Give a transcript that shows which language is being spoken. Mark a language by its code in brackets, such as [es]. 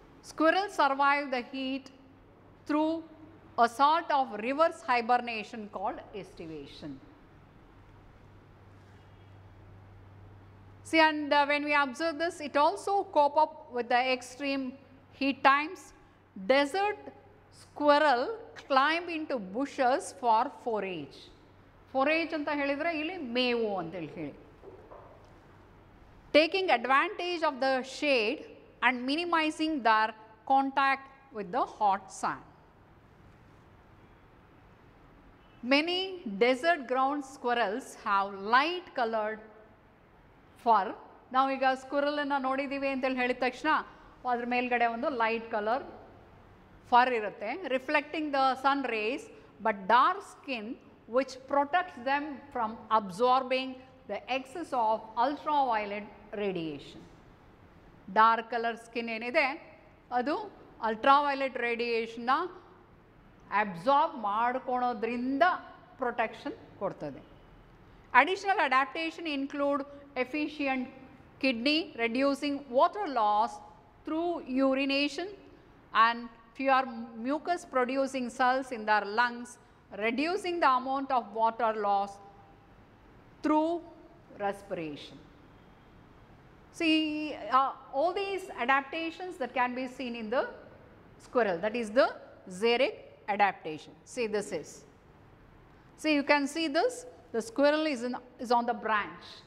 [en] Squirrel survive the heat through a sort of reverse hibernation called estivation. See, and when we observe this, it also cope up with the extreme heat times. Desert squirrel climb into bushes for forage. [kn] Forage anta helidre illi mevu anta heli. [en] Taking advantage of the shade and minimizing their contact with the hot sun. Many desert ground squirrels have light colored fur. [kn] ನಾವೀಗ ಸ್ಕುರಲನ್ನು ನೋಡಿದ್ದೀವಿ ಅಂತೇಳಿ ಹೇಳಿದ ತಕ್ಷಣ ಅದ್ರ ಮೇಲ್ಗಡೆ ಒಂದು light colour fur ಇರುತ್ತೆ, [en] Reflecting the sun rays, but dark skin which protects them from absorbing the excess of ultraviolet radiation. [kn] Dark colour skin ಏನಿದೆ ಅದು ಅಲ್ಟ್ರಾವೈಲೆಟ್ ರೇಡಿಯೇಷನ್ನ ಅಬ್ಸಾರ್ಬ್ ಮಾಡ್ಕೊಳೋದ್ರಿಂದ ಪ್ರೊಟೆಕ್ಷನ್ ಕೊಡ್ತದೆ. [en] Additional adaptation include efficient kidney, reducing water loss through urination, and fewer mucus producing cells in their lungs, reducing the amount of water loss through respiration. See, all these adaptations that can be seen in the squirrel, that is the Xeric adaptation. See, this is. See, you can see this. The squirrel is on the branch.